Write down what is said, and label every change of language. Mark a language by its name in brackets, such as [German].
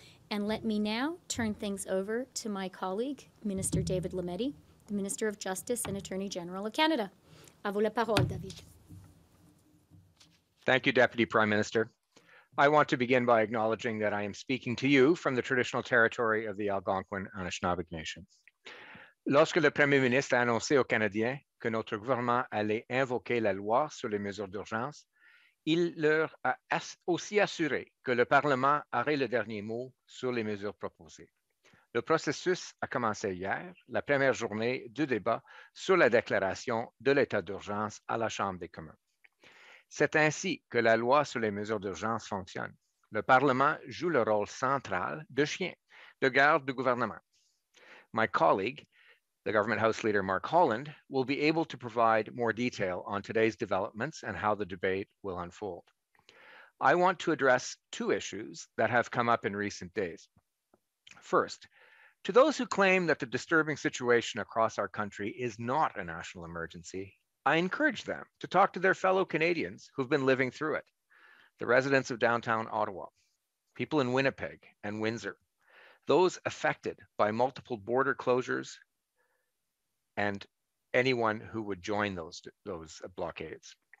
[English] And let me now turn things over to my colleague, Minister David Lametti, the Minister of Justice and Attorney General of Canada. [French] A vous la parole, David. [English] Thank you, Deputy Prime Minister. I want to begin by acknowledging that I am speaking to you from the traditional territory of the Algonquin Anishinaabeg Nation. [French] Lorsque le Premier ministre a annoncé aux Canadiens que notre gouvernement allait invoquer la loi sur les mesures d'urgence, il leur a aussi assuré que le Parlement aurait le dernier mot sur les mesures proposées. Le processus a commencé hier, la première journée du débat sur la déclaration de l'état d'urgence à la Chambre des communes. C'est ainsi que la loi sur les mesures d'urgence fonctionne. Le Parlement joue le rôle central de chien, de garde du gouvernement. [English] My colleague, the Government House Leader Mark Holland, will be able to provide more detail on today's developments and how the debate will unfold. I want to address two issues that have come up in recent days. First, to those who claim that the disturbing situation across our country is not a national emergency, I encourage them to talk to their fellow Canadians who've been living through it, the residents of downtown Ottawa, people in Winnipeg and Windsor, those affected by multiple border closures, and anyone who would join those blockades.